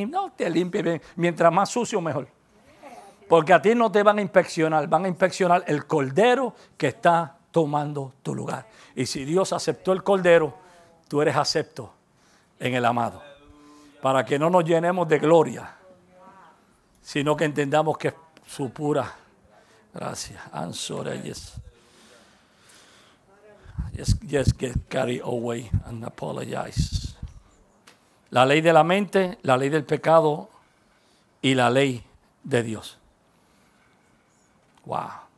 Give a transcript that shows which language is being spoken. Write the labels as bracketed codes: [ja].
[es] Y no, te limpie bien. Mientras más sucio, mejor. Porque a ti no te van a inspeccionar el cordero que está tomando tu lugar. Y si Dios aceptó el cordero, tú eres acepto en el amado. Para que no nos llenemos de gloria, sino que entendamos que es su pura gracia. [en] I'm sorry, I just get carried away and apologize. [es] La ley de la mente, la ley del pecado y la ley de Dios. Wow.